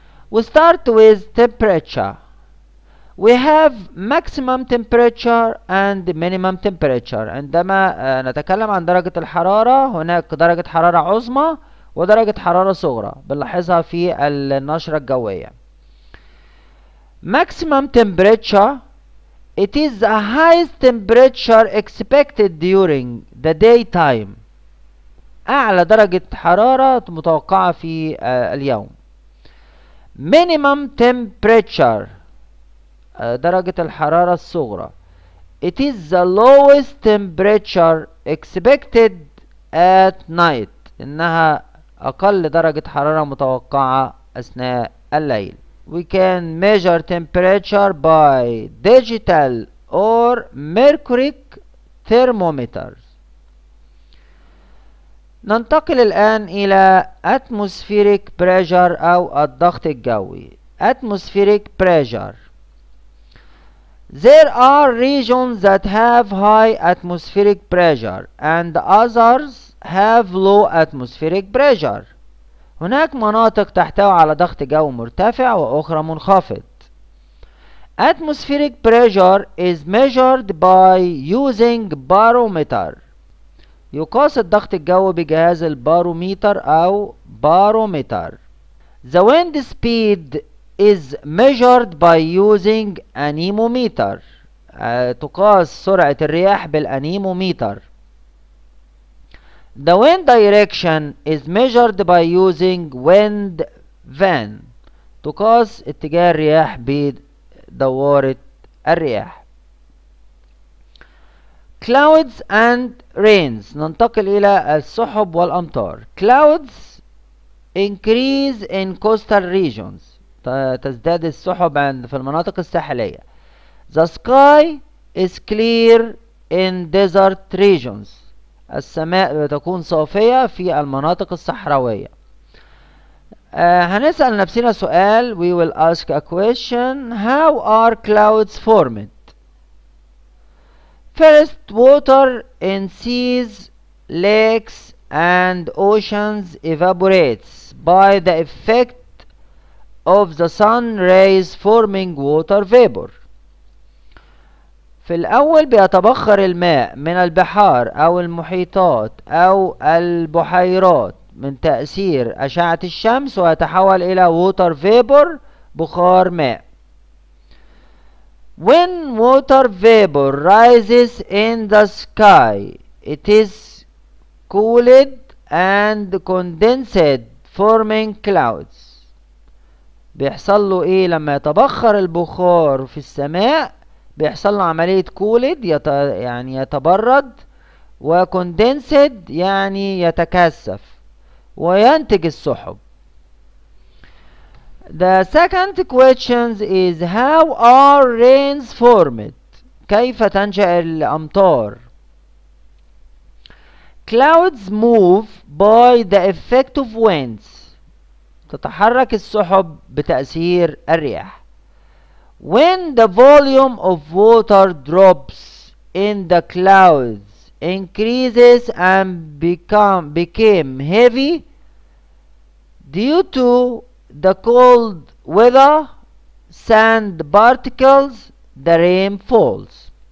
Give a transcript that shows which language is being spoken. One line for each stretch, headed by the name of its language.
English: We start with temperature. We have maximum temperature and minimum temperature.
Arabic: عندما نتكلم عن درجة الحرارة، هناك درجة حرارة عظمى ودرجة حرارة صغرى، بنلاحظها في النشرة الجوية.
English: Maximum temperature, it is the highest temperature expected during the daytime.
Arabic: أعلى درجة حرارة متوقعة في اليوم. Minimum temperature, درجة الحرارة الصغرى.
English: It is the lowest temperature expected at night.
Arabic: إنها أقل درجة حرارة متوقعة أثناء الليل.
English: We can measure temperature by digital or mercury thermometers.
Arabic: ننتقل الآن إلى atmospheric pressure أو الضغط الجوي.
English: Atmospheric pressure. There are regions that have high atmospheric pressure and others have low atmospheric pressure.
Arabic: هناك مناطق تحتوي على ضغط جو مرتفع وأخرى منخفض.
English: Atmospheric pressure is measured by using barometer.
Arabic: يقاس الضغط الجو بجهاز الباروميتر أو باروميتر.
English: The wind speed is measured by using anemometer.
Arabic: تقاس سرعة الرياح بالأنيموميتر.
English: The wind direction is measured by using wind vane.
Arabic: تقاس اتجاه الرياح بدوارة الرياح.
English: Clouds and rains.
Arabic: ننتقل إلى السحب والأمطار.
English: Clouds increase in coastal regions.
Arabic: تزداد السحب في المناطق الساحلية.
English: The sky is clear in desert regions.
Arabic: السماء تكون صافية في المناطق الصحراوية. هنسأل نفسنا سؤال.
English: We will ask a question. How are clouds formed? First, water in seas, lakes and oceans evaporates by the effect of the sun rays forming water vapor.
Arabic: في الأول بيتبخر الماء من البحار أو المحيطات أو البحيرات من تأثير أشعة الشمس ويتحول إلى water vapor، بخار ماء.
English: When water vapor rises in the sky, it is cooled and condensed forming clouds.
Arabic: بيحصل له إيه لما يتبخر البخار في السماء؟ بيحصل له عملية كولد، يعني يتبرد، وكوندنسد يعني يتكثف وينتج السحب.
English: The second question is how are rains formed؟
Arabic: كيف تنشأ الأمطار؟
English: Clouds move by the effect of winds.
Arabic: تتحرك السحب بتأثير الرياح.
English: When the volume of water drops in the clouds increases and became heavy due to the cold weather, sand particles, the rain falls.